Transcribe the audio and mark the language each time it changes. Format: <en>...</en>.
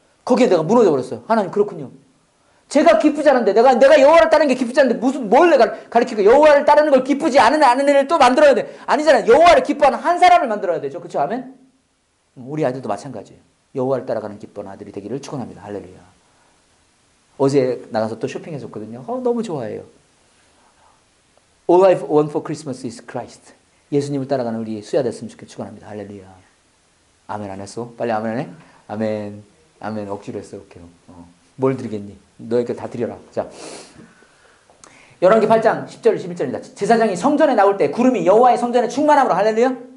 <ko>거기에 내가 무너져 버렸어요. 하나님 그렇군요. 제가 기쁘지 않은데 내가 여호와를 따르는 게 기쁘지 않은데 무슨 뭘 내가 가르치고 여호와를 따르는 걸 기쁘지 않은 애를 또 만들어야 돼. 아니잖아요. 여호와를 기뻐하는 한 사람을 만들어야 되죠. 그렇죠? 아멘. 우리 아들도 마찬가지예요. 여호와를 따라가는 기쁜 아들이 되기를 축원합니다. 할렐루야. 어제 나가서 또 쇼핑했었거든요. 너무 좋아해요.</ko> <en>All I want for Christmas is Christ.</en> <ko>예수님을 따라가는 우리 수야 됐으면 좋겠고 축원합니다. 할렐루야. 아멘 안 했어? 빨리 아멘 안 해? 아멘. 아멘. 억지로 했어. 오케이. 뭘 드리겠니? 너에게 다 드려라. 자, 열왕기 8장 10절 11절입니다. 제사장이 성전에 나올 때 구름이 여호와의 성전에 충만함으로 할렐루야.</ko>